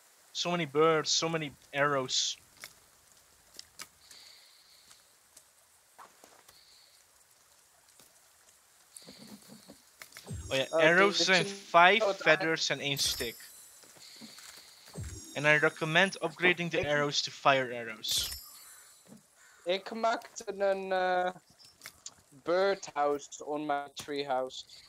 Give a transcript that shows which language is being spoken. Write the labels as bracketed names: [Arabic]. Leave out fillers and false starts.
[English] So many birds, so many arrows. [Dutch] Oh yeah, arrows zijn 5 feathers en 1 stick. [English] En I recommend upgrading the arrows to fire arrows. [Dutch] Ik maakte een birdhouse [English] on my treehouse.